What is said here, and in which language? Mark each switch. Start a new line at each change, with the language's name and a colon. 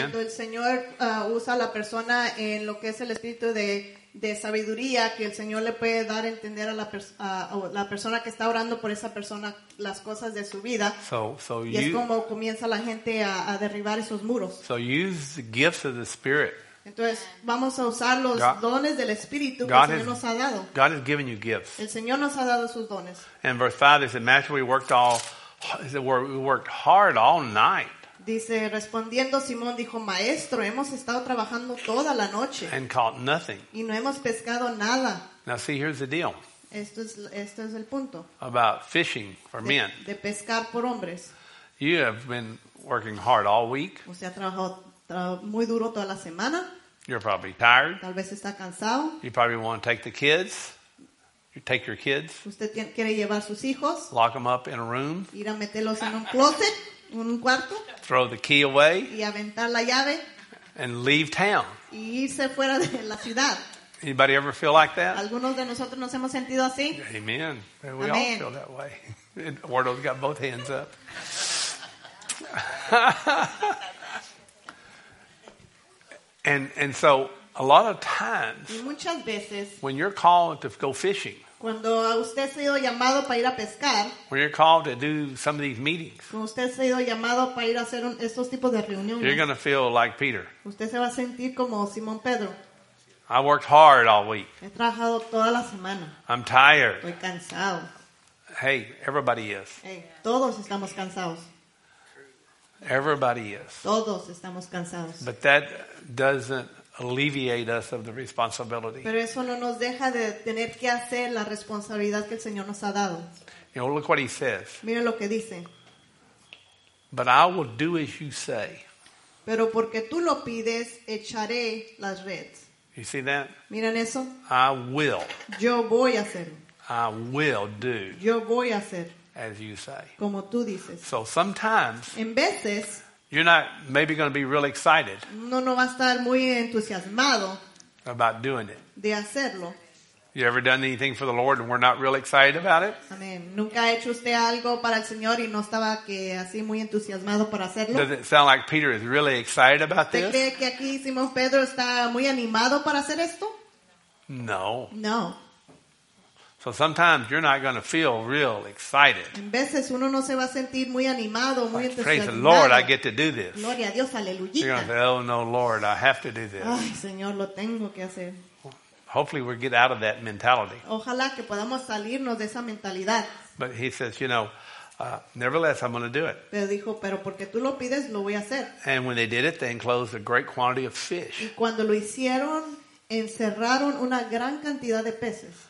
Spanish: Cuando el Señor usa a la persona en lo que es el espíritu de sabiduría, que el Señor le puede dar a entender a la persona que está orando por esa persona las cosas de su vida.
English: So
Spanish: y es como comienza la gente a derribar esos muros.
English: So use the gifts of the Spirit.
Spanish: Entonces vamos a usar los dones del Espíritu
English: God
Spanish: que el Señor nos ha dado.
English: God has given you gifts.
Spanish: El Señor nos ha dado sus dones.
English: And verse 5, it says, "Master, we worked hard all night."
Spanish: Dice respondiendo Simón dijo, "Maestro, hemos estado trabajando toda la noche."
English: And caught nothing.
Spanish: Y no hemos pescado nada.
English: Now see, here's the deal.
Spanish: Esto es el punto.
English: About fishing for men.
Spanish: De pescar por hombres.
English: You have been working hard all week.
Spanish: Usted ha trabajado muy duro toda la semana.
English: You're probably tired.
Spanish: Tal vez está cansado.
English: You probably want to take the kids. You take your kids.
Spanish: Usted quiere llevar sus hijos.
English: Lock them up in a room.
Spanish: Ir a meterlos en un closet, en un cuarto.
English: Throw the key away.
Spanish: Y aventar la llave.
English: And leave town.
Spanish: Y irse fuera de la ciudad.
English: Anybody ever feel like that?
Spanish: Algunos de nosotros nos hemos sentido así.
English: Amen. We all feel that way. Wardo's got both hands up. And so a lot of times
Spanish: muchas veces,
English: when you're called to go fishing,
Spanish: cuando usted ha sido llamado para ir a pescar,
English: when you're called to do some of these meetings,
Spanish: cuando usted ha sido llamado para ir a hacer estos tipos de reuniones,
English: you're going to feel like Peter.
Spanish: Usted se va a sentir como Simón Pedro.
English: I worked hard all week.
Spanish: He trabajado toda la semana.
English: I'm tired.
Spanish: Estoy cansado.
English: Hey, everybody is.
Spanish: Hey, todos estamos cansados.
English: Everybody is.
Spanish: Todos estamos cansados.
English: But that doesn't alleviate us of the responsibility.
Spanish: Pero eso no nos deja de tener que hacer la responsabilidad que el Señor nos ha dado.
English: You know, look what he says.
Spanish: Mira lo que dice.
English: But I will do as you say.
Spanish: Pero porque tú lo pides, echaré las redes.
English: You see that?
Spanish: ¿Miran eso?
English: I will.
Spanish: Yo voy a hacer.
English: I will do.
Spanish: Yo voy a hacer.
English: As you say.
Spanish: Como tú dices.
English: So sometimes.
Spanish: En veces.
English: You're not maybe going to be real excited.
Spanish: No, no va a estar muy entusiasmado.
English: About doing it.
Spanish: De hacerlo.
English: You ever done anything for the Lord and we're not real excited about it? Amen.
Spanish: Nunca ha hecho usted algo para el Señor y no estaba que así muy entusiasmado para hacerlo.
English: Does it sound like Peter is really excited about this?
Spanish: ¿Cree que aquí Simón Pedro está muy animado para hacer esto?
English: No.
Spanish: No.
English: So sometimes you're not going to feel real excited.
Spanish: En veces uno no se va a sentir muy animado, muy entusiasmado.
English: Praise the Lord, I get to do this.
Spanish: Gloria a Dios, aleluya.
English: You're going to say, oh no, Lord, I have to do this.
Spanish: Ay, Señor, lo tengo que hacer.
English: Hopefully we get out of that mentality.
Spanish: Ojalá que podamos salirnos de esa mentalidad.
English: But he says, you know, nevertheless, I'm going to do it.
Spanish: Pero dijo, pero porque tú lo pides, lo voy a hacer.
English: And when they did it, they enclosed a great quantity of fish.
Spanish: Y cuando lo hicieron, encerraron una gran cantidad de peces.